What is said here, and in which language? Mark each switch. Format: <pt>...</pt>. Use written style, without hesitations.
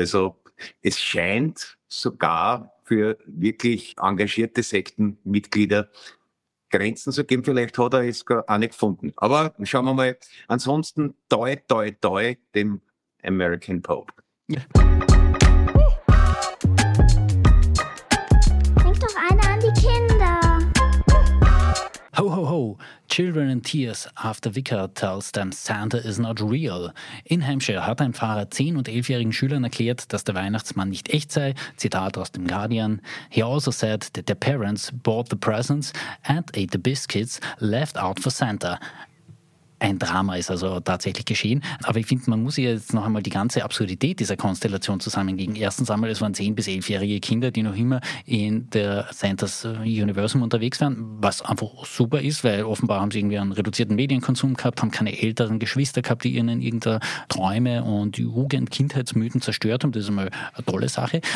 <de>Also es scheint sogar für wirklich engagierte Sektenmitglieder Grenzen zu geben. Vielleicht hat er es gar nicht gefunden. Aber schauen wir mal. Ansonsten toi, toi, toi dem American Pope. Ja. Denk doch einer an die Kinder. Ho, ho, ho.</de> <en>Children in tears after vicar tells them Santa is not real.</en> <de>In Hampshire hat ein Pfarrer 10- und 11-jährigen Schülern erklärt, dass der Weihnachtsmann nicht echt sei. Zitat aus dem Guardian.</de> <en>He also said that their parents bought the presents and ate the biscuits left out for Santa.</en> <de>Ein Drama ist also tatsächlich geschehen. Aber ich finde, man muss jetzt noch einmal die ganze Absurdität dieser Konstellation zusammenlegen. Erstens einmal, es waren 10- bis 11-jährige Kinder, die noch immer in der Santa's Universum unterwegs waren, was einfach super ist, weil offenbar haben sie irgendwie einen reduzierten Medienkonsum gehabt, haben keine älteren Geschwister gehabt, die ihnen irgendeine Träume und Jugend-, Kindheitsmythen zerstört haben. Das ist einmal eine tolle Sache.</de>